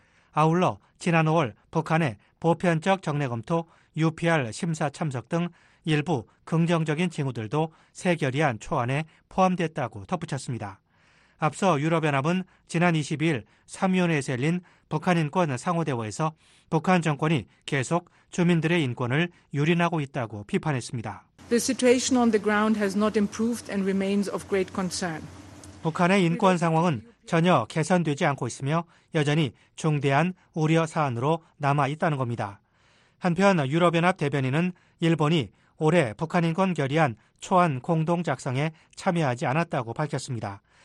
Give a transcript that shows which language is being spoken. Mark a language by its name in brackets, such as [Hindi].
[Korean] 아울러 지난 5월 북한의 보편적 정례검토, UPR 심사 참석 등 일부 긍정적인 징후들도 새 결의안 초안에 포함됐다고 덧붙였습니다. 앞서 유럽연합은 지난 22일 3위원회에서 열린 북한인권 상호대화에서 북한 정권이 계속 주민들의 인권을 유린하고 있다고 비판했습니다. [English] The situation on the ground has not improved and remains of great concern. [Korean] 북한의 인권 상황은 전혀 개선되지 않고 있으며 여전히 중대한 우려 사안으로 남아 있다는 겁니다. 한편 유럽연합 대변인은 일본이 올해 북한인권 결의안 초안 공동 작성에 참여하지 않았다고 밝혔습니다.